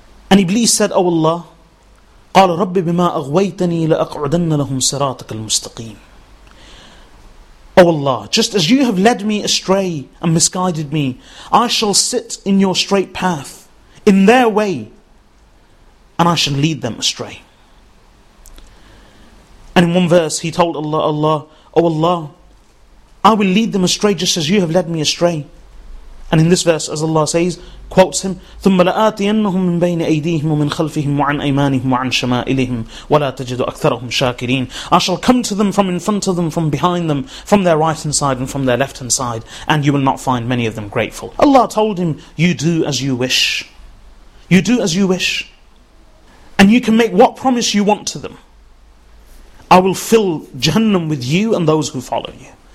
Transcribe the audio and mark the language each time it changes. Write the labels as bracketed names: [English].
[English] And Iblis said, O Allah, [Arabic] قَالَ رَبِّ بِمَا أَغْوَيْتَنِي لَأَقْعُدَنَّ لَهُمْ سِرَاطَكَ الْمُسْتَقِيمِ. [English] O Allah, just as you have led me astray and misguided me, I shall sit in your straight path, in their way, and I shall lead them astray. And in one verse he told Allah, O Allah, I will lead them astray just as you have led me astray. And in this verse, as Allah says, quotes him, [Arabic] ثُمَّ لَآتِيَنَّهُمْ مِنْ بَيْنِ أَيْدِيهِمْ وَمِنْ خَلْفِهِمْ وَعَنْ أَيْمَانِهِمْ وَعَنْ شَمَائِلِهِمْ وَلَا تَجِدُ أَكْثَرَهُمْ شَاكِرِينَ. [English] I shall come to them from in front of them, from behind them, from their right hand side and from their left hand side, and you will not find many of them grateful. Allah told him, you do as you wish. You do as you wish. And you can make what promise you want to them. I will fill Jahannam with you and those who follow you.